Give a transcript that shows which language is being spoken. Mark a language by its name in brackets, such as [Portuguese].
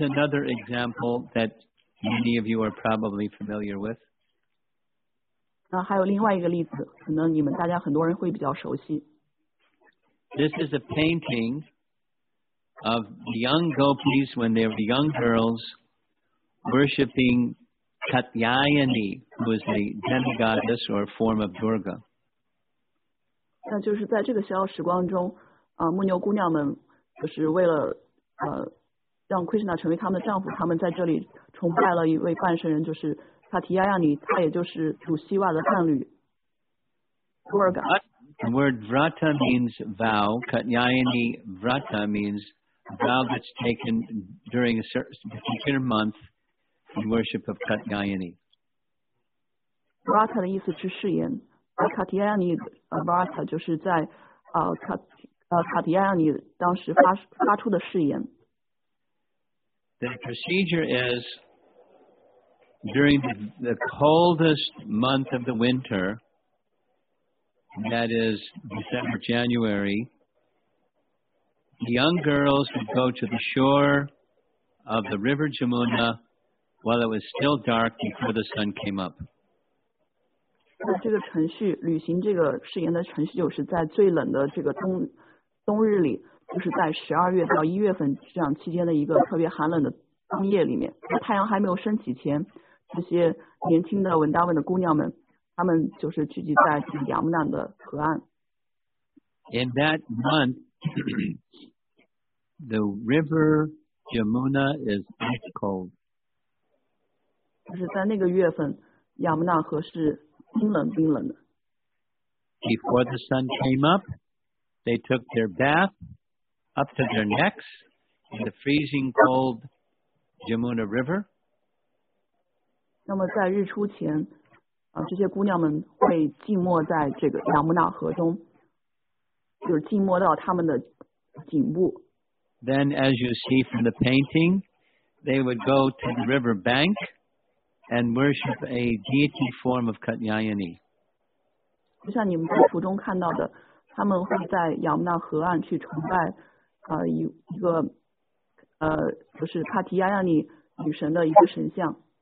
[English] another example that many of you are probably familiar with. [Chinese] 还有另外一个例子，可能你们大家很多人会比较熟悉。 [English] This is a painting of young gopis when they were young girls worshipping Katyayani, who is a demigoddess or form of Durga. [Chinese] 那就是在这个逍遥时光中，牧牛姑娘们就是为了让 Krishna 成为他们的丈夫，他们在这里崇拜了一位半神人，就是。 [English] The word vrata means vow. Katyayani vrata means vow that's taken during a particular month in worship of Katyayani. [Chinese] Vrata 的意思是誓言,Katyayani Vata 就是在Katyayani 当时发出的誓言。 [English] The procedure is during the coldest month of the winter, that is December, January, the young girls would go to the shore of the river Jamuna while it was still dark before the sun came up. [Chinese] 这个程序，履行这个誓言的程序，就是在最冷的这个冬日里，就是在十二月到一月份这样期间的一个特别寒冷的冬夜里面，太阳还没有升起前，这些年轻的文达文的姑娘们，她们就是聚集在这个雅木兰的河岸。 [English] In that month, the river Jamuna is ice cold. [Chinese] 就是在那个月份，雅木兰河是冰冷冰冷的。 [English] Before the sun came up, they took their bath up to their necks in the freezing cold. Jamuna River. [Chinese] 那么在日出前，这些姑娘们会浸没在这个雅木纳河中，就是浸没到她们的颈部。 [English] Then, as you see from the painting, they would go to the river bank and worship a deity form of Katyayani. [Chinese] 就像你们在图中看到的，他们会在雅木纳河岸去崇拜，一个。就是帕提亚亚尼女神的一个神像。